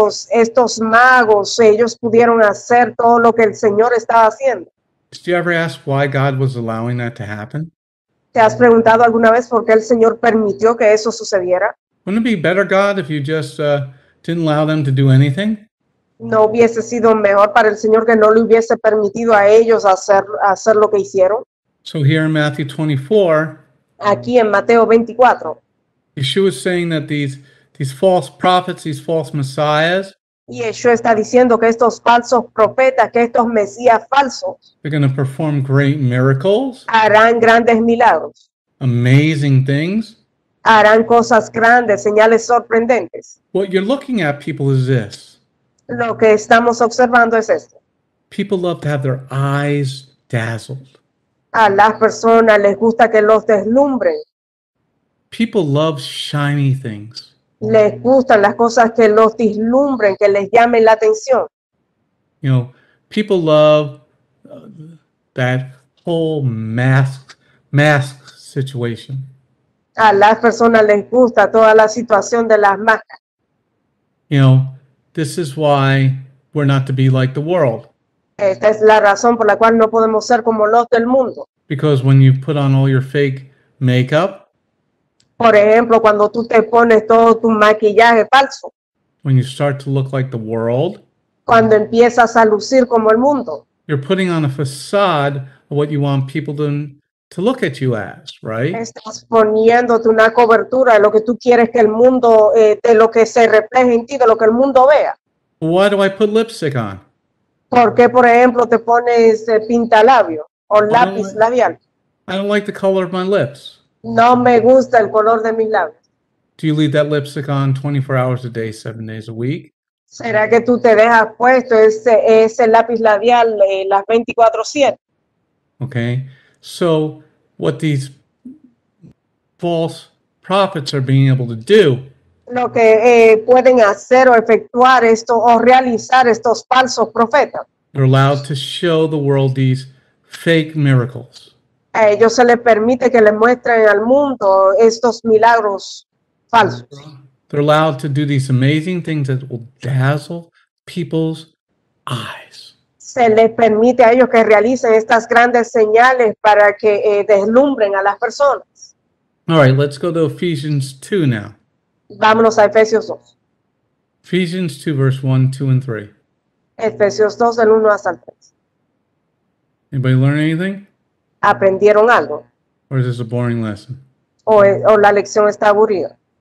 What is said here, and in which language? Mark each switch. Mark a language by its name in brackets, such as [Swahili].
[Spanish] Estos magos, ellos pudieron hacer todo lo que el Señor estaba haciendo. [English] Did you ever ask why God was allowing that to happen? [Spanish] ¿Te has preguntado alguna vez por qué el Señor permitió que eso sucediera? [English] Wouldn't it be better, God, if you just didn't allow them to do anything? [Spanish] ¿No hubiese sido mejor para el Señor que no le hubiese permitido a ellos hacer lo que hicieron? [English] So here in Matthew 24, [Spanish] aquí en Mateo 24, [English] Yeshua is saying that these false prophets, these false messiahs, [Spanish] Yeshua está diciendo que estos falsos profetas, que estos mesías falsos, [English] they're going to perform great miracles, [Spanish] harán grandes milagros, [English] amazing things, [Spanish] harán cosas grandes, señales sorprendentes. [English] What you're looking at, people, is this. [Spanish] Lo que estamos observando es esto. [English] People love to have their eyes dazzled. [Spanish] A las personas les gusta que los deslumbren. [English] People love shiny things. [Spanish] Les gustan las cosas que los deslumbren, que les llamen la atención. [English] You know, people love that whole mask situation. [Spanish] A las personas les gusta toda la situación de las máscaras. [English] You know, this is why we're not to be like the world. [Spanish] Esta es la razón por la cual no podemos ser como los del mundo. [English] Because when you put on all your fake makeup, [Spanish] por ejemplo, cuando tú te pones todo tu maquillaje falso, [English] when you start to look like the world, [Spanish] cuando empiezas a lucir como el mundo, [English] you're putting on a facade of what you want people to look at you as, right? [Spanish] Estás poniéndote una cobertura de lo que tú quieres que el mundo, de lo que se refleje en ti, de lo que el mundo vea. [English] Why do I put lipstick on? [Spanish] ¿Por qué, por ejemplo, te pones pintalabio o lápiz labial? [English] I don't like the color of my lips. [Spanish] No me gusta el color de mis labios. [English] Do you leave that lipstick on 24 hours a day, 7 days a week? [Spanish] ¿Será que tú te dejas puesto ese lápiz labial las 24/7? [English] Okay. So what these false prophets are being able to do, [Spanish] lo que pueden hacer o efectuar esto o realizar estos falsos profetas, [English] they're allowed to show the world these fake miracles. [Spanish] A ellos se les permite que le muestren al mundo estos milagros falsos. [English] They're allowed to do these amazing things that will dazzle people's eyes. [Spanish] Se les permite a ellos que realicen estas grandes señales para que deslumbren a las personas. [English] All right, let's go to Ephesians 2 now. [Spanish] Vámonos a Efesios 2. [English] Ephesians 2, verse 1, 2, and 3. [Spanish] Efesios 2, del 1 hasta el 3. [English] Anybody learn anything? [Spanish] ¿Aprendieron algo? [English] Or is this a boring lesson? [Spanish] O la lección está aburrida.